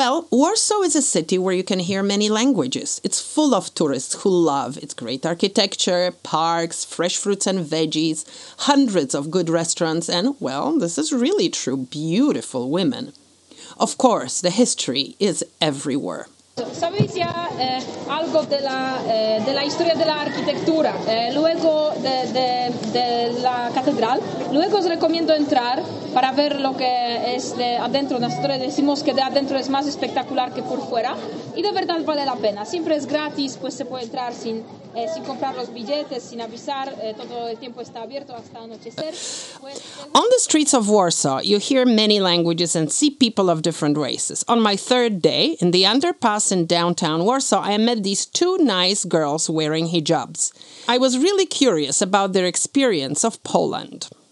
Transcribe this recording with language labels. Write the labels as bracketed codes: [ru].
[en] Warsaw is a city where you can hear many languages. It's full of tourists who love its great architecture, parks, fresh fruits and veggies, hundreds of good restaurants, and, well, this is really true, beautiful women. Of course, the history is everywhere. [es] Sabéis ya algo de la de la historia de la arquitectura, luego de la catedral. Luego os recomiendo entrar para ver lo que es de adentro. Nosotros decimos que de adentro es más espectacular que por fuera y de verdad vale la pena. Siempre es gratis, pues se puede entrar sin sin comprar los billetes, sin avisar. Todo el tiempo está abierto hasta anochecer. [en] On the streets of Warsaw, you hear many languages and see people of different races. On my third day in the underpass in downtown Warsaw, I met these two nice girls wearing hijabs. I was really curious about their experience of Poland.